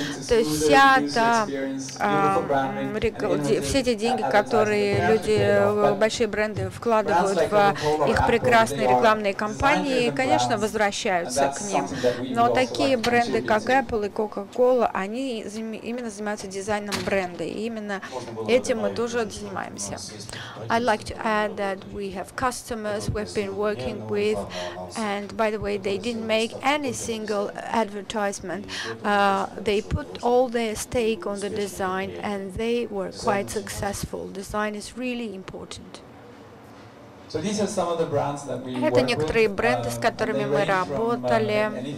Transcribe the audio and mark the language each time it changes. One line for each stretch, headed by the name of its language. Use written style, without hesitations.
Russian: То есть вся та, все эти деньги, которые люди, большие бренды вкладывают в их прекрасные рекламные кампании, конечно, возвращаются к ним. Но такие бренды, как Apple и Coca-Cola, они именно занимаются дизайном бренда, и именно этим мы тоже занимаемся.
English: I'd like to add that we have customers we've been working with, and by the way, they didn't make any single advertisement. They put all their stake on the design, and they were quite successful. Design is really important.
Russian: Это некоторые бренды, с которыми мы работали.